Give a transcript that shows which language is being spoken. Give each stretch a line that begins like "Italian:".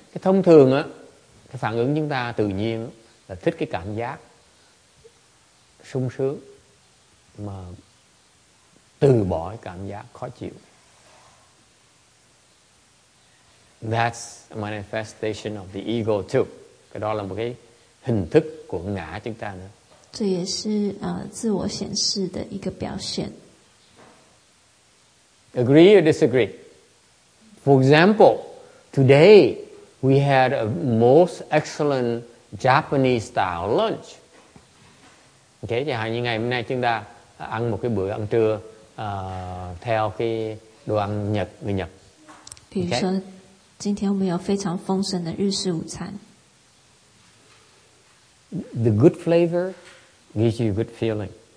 Vietnamese: Cái thông thường á, cái phản ứng chúng ta tự nhiên là thích cái cảm giác sung sướng mà từ bỏ cái cảm giác khó chịu.
English: That's a manifestation of the ego too.
Vietnamese: Cái đó là một cái hình thức của ngã chúng ta nữa.
Chinese: 这也是, 自我显示的一个表现.
English: Agree or disagree? For example, today we had a most excellent Japanese style lunch.
Vietnamese: Okay, chẳng hạn như ngày hôm nay chúng ta ăn một cái bữa ăn trưa theo cái đồ ăn Nhật, người Nhật.
English: Okay.
Chinese: 比如说, 今天我们有非常丰盛的日式午餐.
English: The good flavor gives you a good feeling.